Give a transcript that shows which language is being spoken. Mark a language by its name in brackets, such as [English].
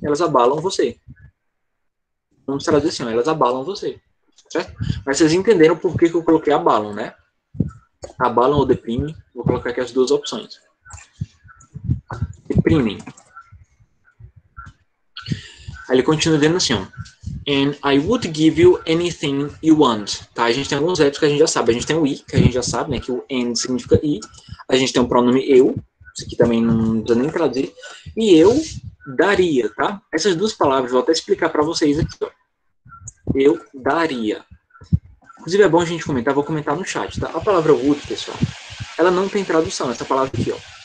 [Portuguese] Elas abalam você. Vamos traduzir assim, ó. Elas abalam você. Certo? Mas vocês entenderam por que, que eu coloquei abalam, né? Abalam ou deprime? Vou colocar aqui as duas opções. Deprimem. Aí ele continua dizendo assim, ó. [English] And I would give you anything you want. [Portuguese] Tá? A gente tem alguns verbos que a gente já sabe. A gente tem o I, que a gente já sabe, né? Que o and significa I. A gente tem o pronome eu. Isso aqui também não precisa nem traduzir. E eu daria, tá? Essas duas palavras, vou até explicar pra vocês aqui, ó. Eu daria. Inclusive, é bom a gente comentar. Vou comentar no chat, tá? A palavra would, pessoal, ela não tem tradução, essa palavra aqui, ó.